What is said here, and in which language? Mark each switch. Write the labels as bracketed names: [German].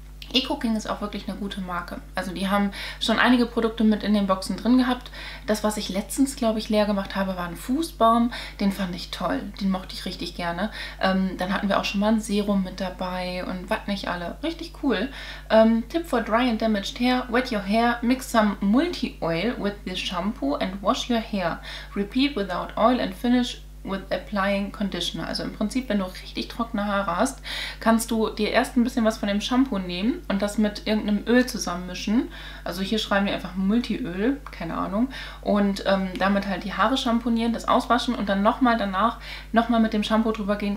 [German] eCooking ist auch wirklich eine gute Marke. Also die haben schon einige Produkte mit in den Boxen drin gehabt. Das, was ich letztens, glaube ich, leer gemacht habe, war ein Fußbaum. Den fand ich toll. Den mochte ich richtig gerne. Dann hatten wir auch schon mal ein Serum mit dabei und was nicht alle. Richtig cool. [English] Tipp for dry and damaged hair. Wet your hair. Mix some multi-oil with the shampoo and wash your hair. Repeat without oil and finish with applying conditioner. [German] Also im Prinzip, wenn du richtig trockene Haare hast, kannst du dir erst ein bisschen was von dem Shampoo nehmen und das mit irgendeinem Öl zusammenmischen. Also hier schreiben wir einfach Multiöl, keine Ahnung. Und damit halt die Haare shampoonieren, das auswaschen und dann nochmal danach nochmal mit dem Shampoo drüber gehen.